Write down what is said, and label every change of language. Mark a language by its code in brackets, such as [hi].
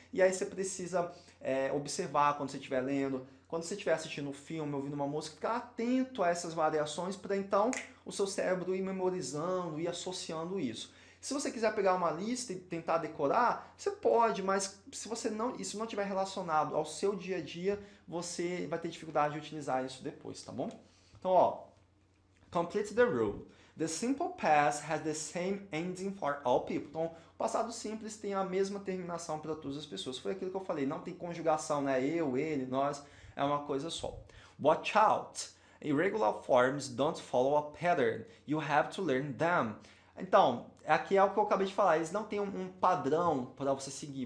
[pt] E aí você precisa observar quando você estiver lendo, quando você estiver assistindo um filme, ouvindo uma música, ficar atento a essas variações para então o seu cérebro ir memorizando, ir associando isso. Se você quiser pegar uma lista e tentar decorar, você pode, mas se você não, isso não tiver relacionado ao seu dia a dia, você vai ter dificuldade de utilizar isso depois, tá bom? Então, ó. [en] Complete the rule. The simple past has the same ending for all people. [pt] Então, o passado simples tem a mesma terminação para todas as pessoas. Foi aquilo que eu falei, não tem conjugação, né? Eu, ele, nós, é uma coisa só. [en] Watch out. Irregular forms don't follow a pattern. You have to learn them. [pt] Então, aqui é o que eu acabei de falar. Eles não têm um padrão para você seguir.